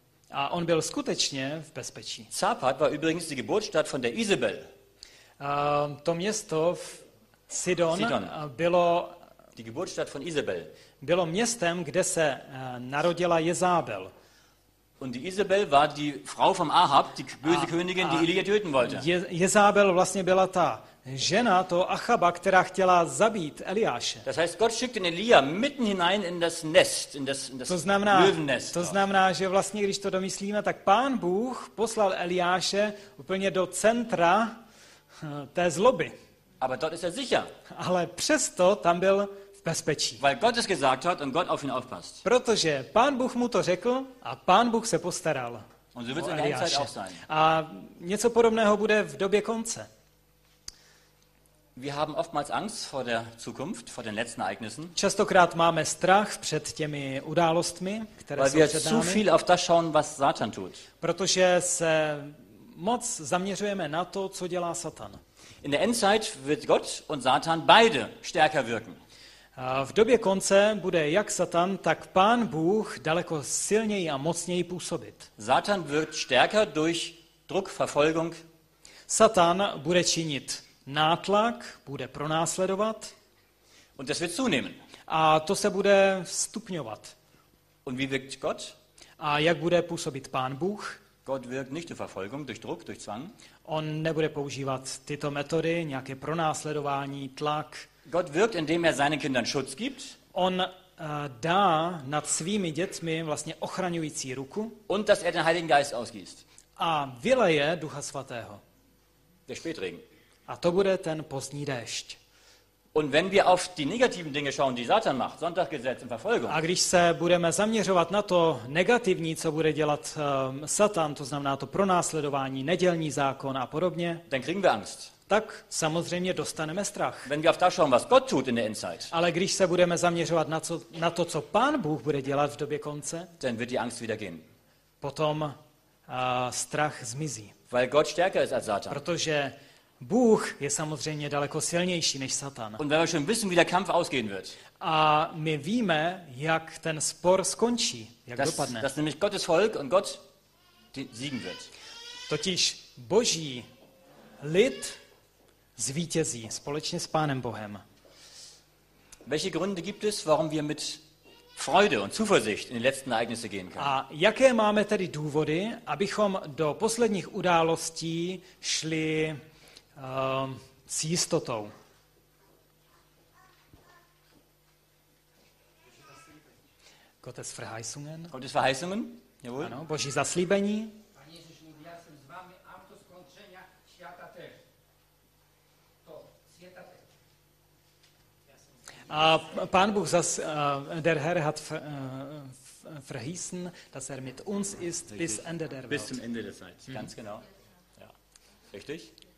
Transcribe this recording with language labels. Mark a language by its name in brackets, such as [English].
[Czech] A on byl skutečně v bezpečí. [German] Zapat war übrigens die Geburtsstadt von der Isabel. [Czech] To město v Sidon. Bylo [German] die Geburtsstadt von Isabel. [Czech] Bylo městem, kde se narodila Jezábel. [German] Und die Isabel war die Frau vom Ahab, die böse Königin, die Elia töten wollte. [Czech] Jezábel vlastně byla ta žena toho Achaba, která chtěla zabít Eliáše. [German] Das heißt, Gott schickt den Elia mitten hinein in das Nest, in das [Czech] to znamená, [German] Löwennest. [Czech] To znamená, že vlastně, když to domyslíme, tak Pán Bůh poslal Eliáše úplně do centra té zloby. [German] Aber dort ist er sicher. [Czech] Ale přesto tam byl v bezpečí. [German] Weil Gott es gesagt hat und Gott auf ihn aufpasst. [Czech] Protože Pán Bůh mu to řekl a Pán Bůh se postaral. [German] Und so wird es in der Endzeit auch sein. [Czech] A něco podobného bude v době konce. [German] Wir haben oftmals Angst vor der Zukunft, vor den letzten Ereignissen. [Czech] Častokrát máme strach před těmi událostmi, které před námi. [German] Weil wir zu viel auf das schauen, was Satan tut. [Czech] Protože se moc zaměřujeme na to, co dělá Satan. [German] In der Endzeit wird Gott und Satan beide stärker wirken. [Czech] V době konce bude jak Satan, tak Pán Bůh daleko silněji a mocněji působit. [German] Satan wird stärker durch Druck, Verfolgung. [Czech] Satan bude činit nátlak, bude pronásledovat. [German] Und das wird zunehmen. [Czech] A to se bude stupňovat. [German] Und wie wirkt Gott? [Czech] A jak bude působit Pán Bůh? [German] Gott wirkt nicht durch Verfolgung, durch Druck, durch Zwang. [Czech] On nebude používat tyto metody, nějaké pronásledování, tlak. [German] Gott wirkt, indem er seinen Kindern Schutz gibt. [Czech] On dá nad svými dětmi vlastně ochraňující ruku. [German] Und dass er den Heiligen Geist ausgießt. [Czech] A vyleje Ducha Svatého. [German] Der Spätregen. [Czech] A to bude ten pozdní déšť. [German] Und wenn wir auf die negativen Dinge schauen, die Satan macht, Sonntaggesetz und Verfolgung. [Czech] A když se budeme zaměřovat na to negativní, co bude dělat Satan, to znamená to pronásledování, nedělní zákon a podobně, [German] dann kriegen wir Angst. [Czech] Tak samozřejmě dostaneme strach. [German] Wenn wir auf das schauen, was Gott tut in der Endzeit. [Czech] Ale když se budeme zaměřovat na to, co Pán Bůh bude dělat v době konce, [German] dann wird die Angst wieder gehen. [Czech] Potom strach zmizí. [German] Weil Gott stärker ist als Satan. [Czech] Protože Bůh je samozřejmě daleko silnější než Satan. [German] Und wenn wir schon wissen, wie der Kampf ausgehen wird. [Czech] A my víme, jak ten spor skončí, jak [German] das, [Czech] dopadne. [German] Das nämlich Gottes Volk und Gott siegen wird. [Czech] Totiž Boží lid zvítězí společně s Pánem Bohem. [German] Welche Gründe gibt es, warum wir mit Freude und Zuversicht in die letzten Ereignisse gehen können? [Czech] A jaké máme tedy důvody, abychom do posledních událostí šli s jistotou. [German] Gottes Verheißungen. Gottes Verheißungen? Jawohl. [Czech] Ano, Boží zaslíbení. [Slovak] Pane Ježíš mluví, já jsem s vámi až do skončenia světa tež. [Czech] To, světa tež. A Pán Bůh zas, [German] der Herr hat verheißen, dass mit uns ist bis Ende der Welt. Bis zum Ende der Zeit, ganz genau. Ja, richtig.